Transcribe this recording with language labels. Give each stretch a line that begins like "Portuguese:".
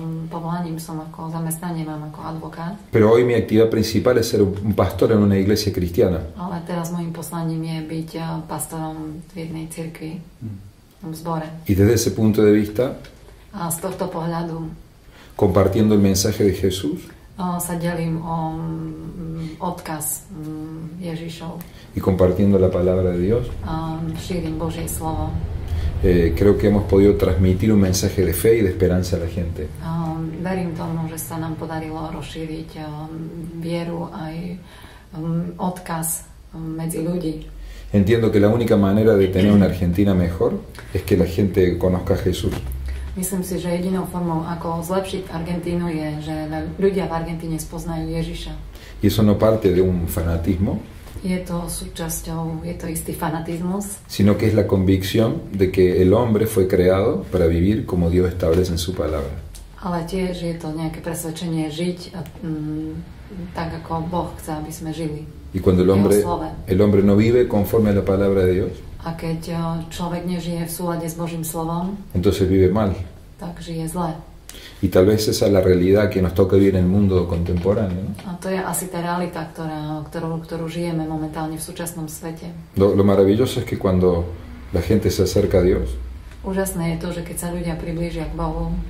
Slovak: Povolaním som ako zamestnanie, mám ako advokát.
Spanish: Pero hoy mi actividad principal es ser un pastor en una iglesia cristiana.
Slovak: Ale teraz mojím poslaním je byť pastorom v jednej cirkvi, v zbore.
Spanish: Y desde ese punto de vista.
Slovak: A z tohto pohľadu.
Spanish: Compartiendo el mensaje de Jesús.
Slovak: Sa delím o odkaz Ježišov.
Spanish: Y compartiendo la palabra de Dios.
Slovak: Šírim Božie slovo.
Spanish: creo que hemos podido transmitir un mensaje de fe y de esperanza a la gente.
Slovak: Verím tomu, že sa nám podarilo rozšíriť vieru aj odkaz medzi ľudí.
Spanish: Entiendo que la única manera de tener una Argentina mejor es que la gente conozca a Jesús.
Slovak: Myslím si, že jedinou formou, ako zlepšiť Argentínu, je, že ľudia v Argentíne spoznajú Ježiša.
Spanish: Y eso no parte de un fanatismo.
Slovak: Je to súčasťou, je to istý fanatizmus.
Spanish: Sino que es la convicción de que el hombre fue creado para vivir como Dios establece en su palabra.
Slovak: Ale tiež je to nejaké presvedčenie žiť tak, ako Boh chce, aby sme žili.
Spanish: Y cuando el hombre no vive conforme a la palabra de Dios.
Slovak: A keď človek nežije v súlade s Božím slovom,
Spanish: entonces vive mal.
Slovak: Tak žije zle.
Spanish: Y tal vez esa es la realidad que nos toca vivir en el mundo contemporáneo. ¿No?
Slovak: A to je asi tá realita, ktorú žijeme momentálne v súčasnom svete.
Spanish: Lo maravilloso es que cuando la gente se acerca a Dios,
Slovak: úžasné je to, že keď sa ľudia priblížia k Bohu,